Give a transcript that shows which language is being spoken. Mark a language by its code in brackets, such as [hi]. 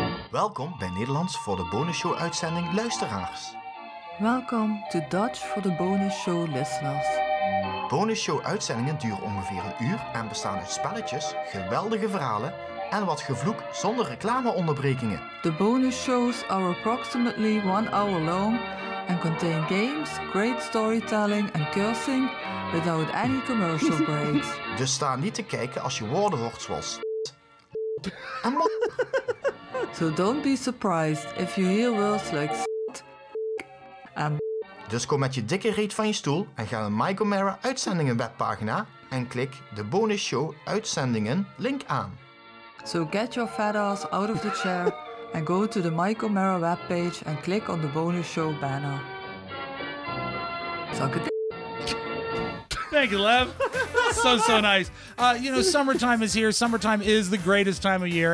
[nl] Welkom bij Nederlands voor de bonus show uitzending Luisteraars. [en] Welkom to Dutch for the bonus show listeners. [nl] Bonus show uitzendingen duren ongeveer een uur en bestaan uit spelletjes, geweldige verhalen en wat gevloek zonder reclameonderbrekingen. [en] The bonus shows are approximately 1 hour long and contain games, great storytelling and cursing without any commercial breaks. [nl] Dus sta niet te kijken als je woorden hoort zoals en [en] So don't be surprised if you hear words like and [nl] Dus kom met je dikke reet van je stoel en ga naar Mike O'Mara uitzendingen webpagina en klik de bonus show uitzendingen link aan. [en] So get your fat ass out of the chair and go to the Mike O'Mara webpage and click on the bonus show banner. Suck a dick. Thank you, Lev. So nice. Summertime is here. Summertime is the greatest time of year.